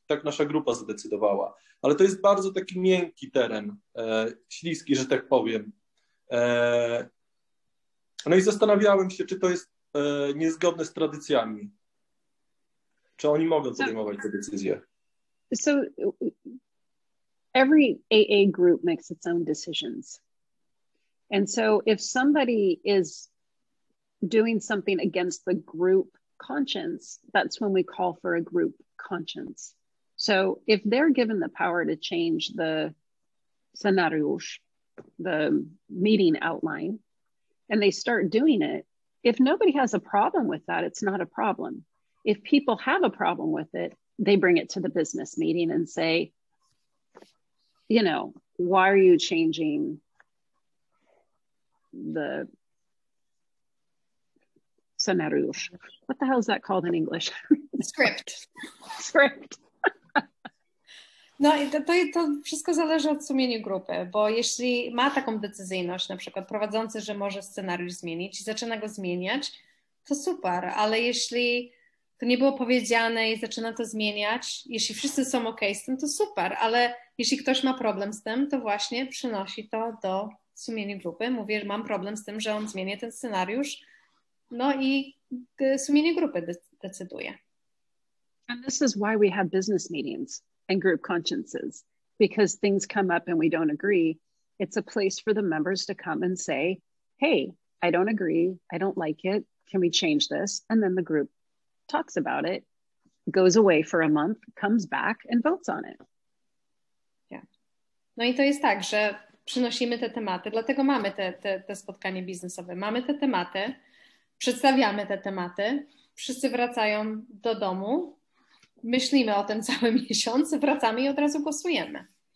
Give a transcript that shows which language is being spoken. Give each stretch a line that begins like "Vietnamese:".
Polish: Tak nasza grupa zadecydowała. Ale to jest bardzo taki miękki teren, śliski, że tak powiem. No i zastanawiałem się, czy to jest niezgodne z tradycjami. Czy oni mogą podejmować te decyzje?
English: So every AA group makes its own decisions. And so if somebody is doing something against the group conscience, that's when we call for a group conscience. So if they're given the power to change the scenariusz, the meeting outline, and they start doing it, if nobody has a problem with that, it's not a problem. If people have a problem with it, they bring it to the business meeting and say, you know, why are you changing the scenario? What the hell is that called in English? Script. Script.
Polish: No i to wszystko zależy od sumienia grupy, bo jeśli ma taką decyzyjność, na przykład prowadzący, że może scenariusz zmienić i zaczyna go zmieniać, to super, ale jeśli to nie było powiedziane i zaczyna to zmieniać, jeśli wszyscy są okej z tym, to super, ale jeśli ktoś ma problem z tym, to właśnie przynosi to do sumienia grupy. Mówię, że mam problem z tym, że on zmieni ten scenariusz. No i sumienie grupy decyduje.
English: And this is why we have business meetings and group consciences, because things come up and we don't agree. It's a place for the members to come and say, hey, I don't agree, I don't like it, can we change this? And then the group talks about it, goes away for a month, comes back and votes on it. Yeah.
Polish: No i to jest tak, że przynosimy te tematy, dlatego mamy te spotkanie biznesowe, mamy te tematy, przedstawiamy te tematy, wszyscy wracają do domu, myślimy o tym cały miesiąc, wracamy i od razu głosujemy.